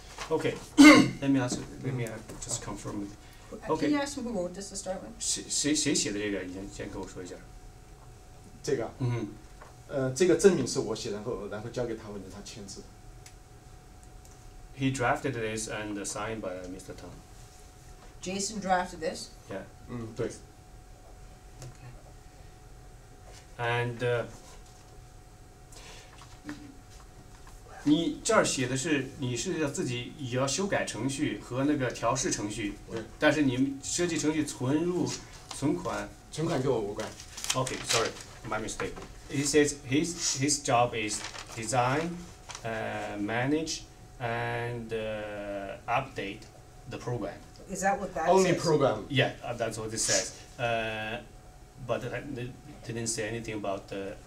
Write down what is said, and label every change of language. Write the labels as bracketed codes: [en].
[en] Okay, let me ask. Let me just confirm. Okay. Can you ask who wrote this to start with? [zh] 谁写的这个？先跟我说一下。这个，这个证明是我写，然后交给他，我让他签字。 [en] He drafted this and signed by Mr. Tang. Jason drafted this. Yeah. [zh] 对。 [en] Okay. And [zh] 你这儿写的是你是要自己也要修改程序和那个调试程序，对。但是你设计程序存入存款，存款跟我无关。 [en] Okay, sorry, my mistake. He says his job is design, manage, and update the program. Is that what that only says? Only program. Yeah, that's what it says. But didn't say anything about the.